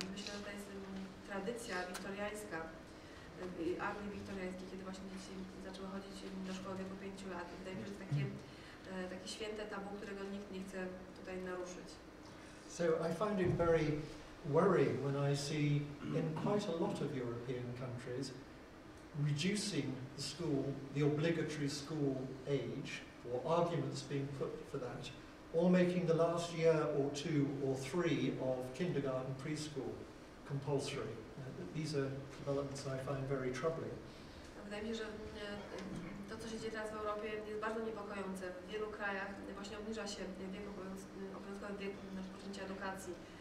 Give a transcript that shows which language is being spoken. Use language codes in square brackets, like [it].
[pl] Myślę, że to jest tradycja wiktoriańska, armii wiktoriańskiej, kiedy właśnie dzieci zaczęły chodzić do szkoły w wieku 5 lat. Wydaje mi się, że takie święte tabu, którego nikt nie chce tutaj naruszyć. [en] So I find it very worrying when I see in quite a lot of European countries reducing the school, the obligatory school age, or arguments being put for that, or making the last year or two or three of kindergarten preschool compulsory. These are developments I find very troubling. [pl] Wydaje mi się, że to, co się dzieje teraz w Europie, jest bardzo niepokojące. W wielu krajach właśnie obniża się wiek obowiązkowy wiek na rozpoczęcie edukacji.